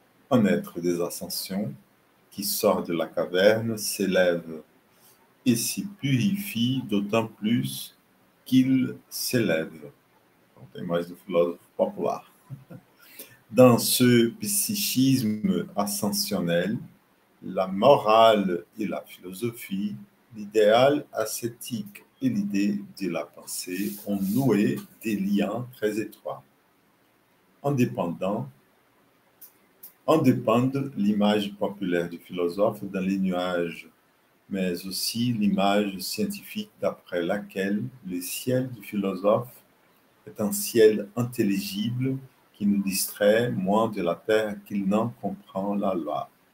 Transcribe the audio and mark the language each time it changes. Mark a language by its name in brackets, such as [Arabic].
[French] Un être des ascensions qui sort de la caverne s'élève et s'y purifie d'autant plus qu'il s'élève. [Portuguese] Tem mais do filósofo popular. [French] Dans ce psychisme ascensionnel, la morale et la philosophie, l'idéal ascétique et l'idée de la pensée ont noué des liens très étroits. En dépendent l'image populaire du philosophe dans les nuages, mais aussi l'image scientifique d'après laquelle le ciel du philosophe est un ciel intelligible qui nous distrait moins de la terre qu'il n'en comprend la loi.